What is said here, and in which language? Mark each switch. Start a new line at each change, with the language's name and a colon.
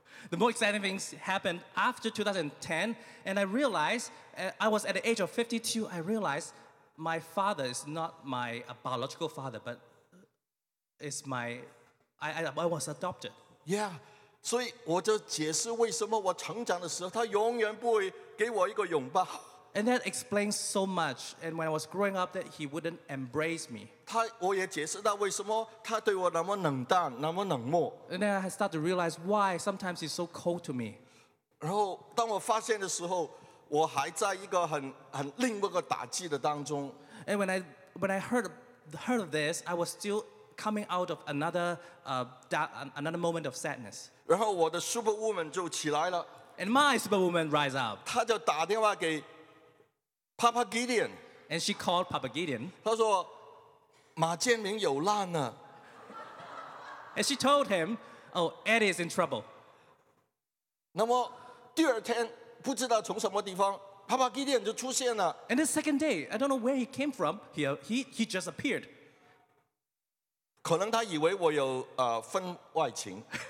English: The more exciting things happened after 2010, and I realized, I was at the age of 52, I realized my father is not my biological father, but it's my, I was adopted.
Chinese: Yeah, 所以我就解释为什么我成长的时候，他永远不会给我一个拥抱。
English: And that explains so much, and when I was growing up, that he wouldn't embrace me.
Chinese: 他我也解释到为什么他对我那么冷淡，那么冷漠。
English: And then I start to realize why sometimes he's so cold to me.
Chinese: 然后当我发现的时候，我还在一个很另一个打击的当中。
English: And when I heard of this, I was still coming out of another moment of sadness.
Chinese: 然后我的 superwoman 就起来了。
English: And my superwoman rise up.
Chinese: 他就打电话给。Papa Gideon,
English: and she called Papa Gideon.
Chinese: 他说马建明有难呢。
English: And she told him, "Oh, Eddie is in trouble."
Chinese: 那么第二天不知道从什么地方 ，Papa Gideon 就出现了。
English: And the second day, I don't know where he came from. He just appeared.
Chinese: 可能他以为我有婚外情。